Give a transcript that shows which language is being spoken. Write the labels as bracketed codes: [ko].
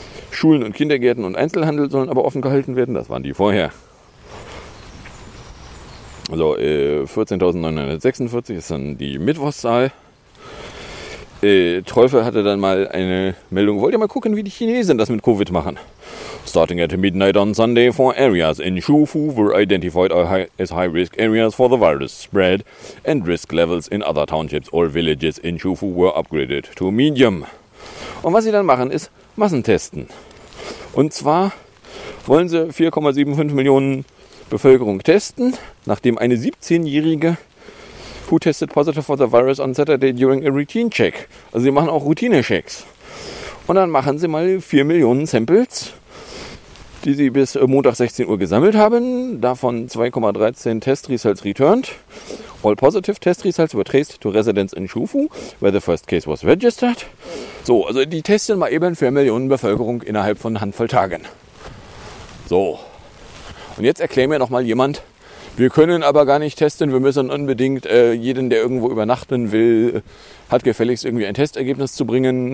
[de] Schulen und Kindergärten und Einzelhandel sollen aber offen gehalten werden. Das waren die vorher. Also 14.946 ist dann die Mittwochszahl. Teufel hatte dann mal eine Meldung. Wollt ihr mal gucken, wie die Chinesen das mit Covid machen? [en] Starting at midnight on Sunday, 4 areas in Shufu were identified as high-risk areas for the virus spread and risk levels in other townships or villages in Shufu were upgraded to medium. [de] Und was sie dann machen, ist Massentesten. Und zwar wollen sie 4,75 Millionen Bevölkerung testen, nachdem eine 17-Jährige [en] who tested positive for the virus on Saturday during a routine check. [de] Also sie machen auch Routine-Checks. Und dann machen sie mal 4 Millionen Samples, die sie bis Montag 16 Uhr gesammelt haben. Davon [en] 2,13 Test Results returned. All positive Test Results were traced to residents in Shufu, where the first case was registered. [de] So, also die testen mal eben 4 Millionen Bevölkerung innerhalb von Handvoll Tagen. So. Und jetzt erklär mir nochmal jemand, wir können aber gar nicht testen, wir müssen unbedingt jeden, der irgendwo übernachten will, hat gefälligst irgendwie ein Testergebnis zu bringen.